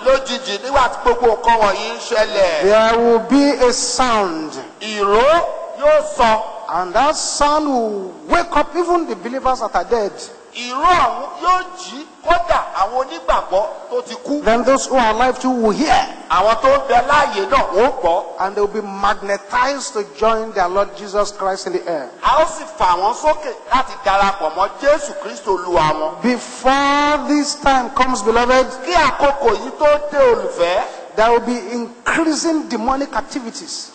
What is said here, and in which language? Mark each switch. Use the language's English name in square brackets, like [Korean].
[Yoruba] Lójijì nígbà tí gbogbo nǹkan wọ̀nyí ń ṣẹlẹ̀. [English] There will be a sound. [Yoruba] Ìró yóò sọ. [English] And that sound will wake up even the believers that are dead. [Yoruba] Ìró ọ̀hún yóò jí kódà àwọn onígbàgbọ́ tó ti kú. [English] Then those who are alive too will hear. [Yoruba] Àwọn tó ń bẹ láàyè náà wọ́n gbọ́. [English] And they will be magnetized to join their Lord Jesus Christ in the air. [Yoruba] A ó sì fà wọ́n sókè láti darapọ̀ mọ́ Jésù Kristo Olúwa wọn. [English] Before this time comes, beloved. [Yoruba] Kí àkókò yìí tó dé olùfẹ́. [English] There will be increasing demonic activities.